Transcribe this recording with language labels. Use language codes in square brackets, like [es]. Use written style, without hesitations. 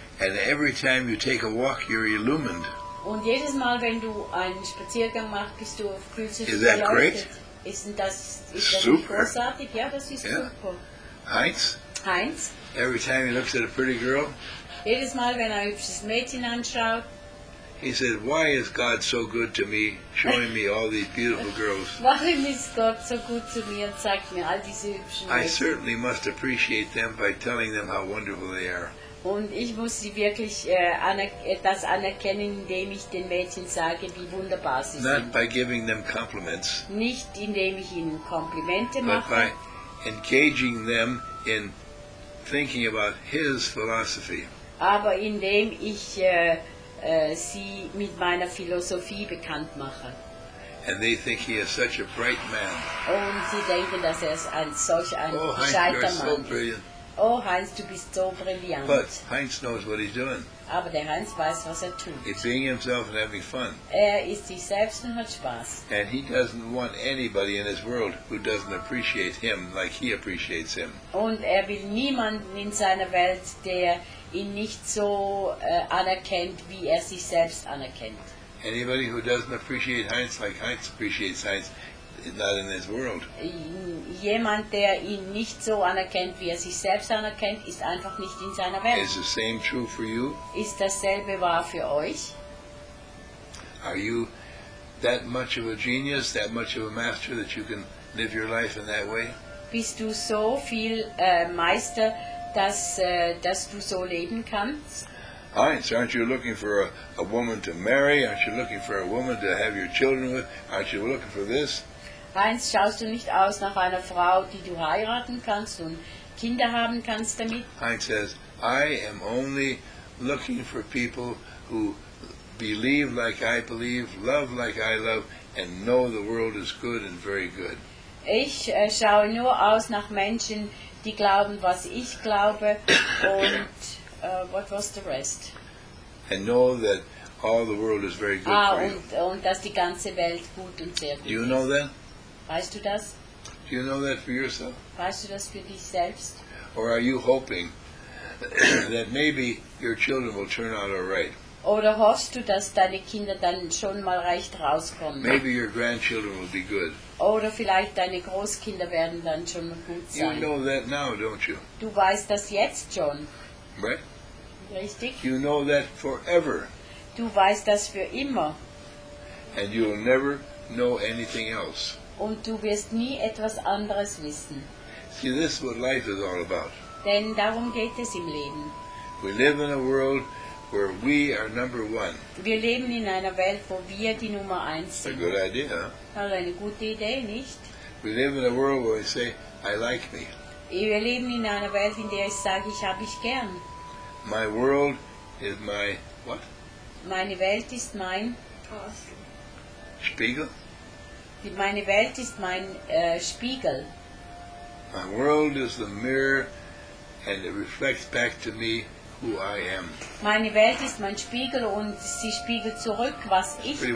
[en] And every time you take a walk, you're illumined. [de] Und jedes Mal, wenn du einen Spaziergang machst, bist du auf Grün. [en] Is that great? [de] Ist das super. Großartig? Ja, das ist super. [en] Heinz? Every time he looks at a pretty girl? [de] Jedes Mal, wenn er hübsches Mädchen anschaut. [en] He said, why is God so good to me, showing me all these beautiful girls? [de] Warum ist Gott so gut zu mir und zeigt mir all diese hübschen Mädchen? [en] I certainly must appreciate them by telling them how wonderful they are. [de] Und ich muss sie wirklich das anerkennen, indem ich den Mädchen sage, wie wunderbar sie [en] Not [de] sind. [en] Not by giving them compliments. [de] Nicht indem ich ihnen Komplimente [en] but [de] mache. [en] But by engaging them in thinking about his philosophy. [de] Aber indem ich sie mit meiner Philosophie bekannt mache. [en] And they think he is such a bright man. [de] Und sie denken, dass er solch ein gescheiter Mann ist. [en] Oh, Heinz, you're so brilliant. [de] Oh, Heinz, du bist so brillant. [en] But Heinz knows what he's doing. [de] Aber der Heinz weiß, was er tut. [en] He's being himself and having fun. [de] Er ist sich selbst und hat Spaß. [en] And he doesn't want anybody in his world who doesn't appreciate him like he appreciates him. [de] Und er will niemanden in seiner Welt, der ihn nicht so anerkennt, wie er sich selbst anerkennt. [en] Anybody who doesn't appreciate Heinz like Heinz appreciates Heinz, not in his world. [de] Jemand, der ihn nicht so anerkennt, wie er sich selbst anerkennt, ist einfach nicht in seiner Welt. [en] Is the same true for you? [de] Ist dasselbe wahr für euch? [en] Are you that much of a genius, that much of a master, that you can live your life in that way? [de] Bist du so viel Meister, dass du so leben kannst? [en] Heinz, aren't you looking for a woman to marry? Aren't you looking for a woman to have your children with? Aren't you looking for this? [de] Heinz, schaust du nicht aus nach einer Frau, die du heiraten kannst und Kinder haben kannst damit? [en] Heinz says, I am only looking for people who believe like I believe, love like I love, and know the world is good and very good. [de] Ich schaue nur aus nach Menschen, die glauben, was ich glaube, und [en] what was the rest? And know that all the world is very good for you. [de] Und dass die ganze Welt gut und sehr gut ist. [en] Do you know that? [de] Weißt du das? [en] Do you know that for yourself? [de] Weißt du das für dich selbst? [en] Or are you hoping that maybe your children will turn out all right? [de] Oder hoffst du, dass deine Kinder dann schon mal recht rauskommen? [en] Maybe your grandchildren will be good. [de] Oder vielleicht deine Großkinder werden dann schon mal gut sein. [en] You know that now, don't you? [de] Du weißt das jetzt schon. [en] Right? [de] Richtig. [en] You know that forever. [de] Du weißt das für immer. [en] And you will never know anything else. [de] Und du wirst nie etwas anderes wissen. [en] See, this is what life is all about. [de] Denn darum geht es im Leben. [en] We live in a world where we are number one. [de] Wir leben in einer Welt, wo wir die Nummer eins sind. [en] A good idea. [de] Also eine gute Idee, nicht? [en] We live in a world where we say, I like me. [de] Wir leben in einer Welt, in der ich sage, ich habe mich gern. [en] My world is my what? [de] Meine Welt ist mein Spiegel. Meine Welt ist mein Spiegel. [en] My world is the mirror and it reflects back to me who I am. [de] Meine Welt ist mein Spiegel und sie spiegelt zurück, was ich bin.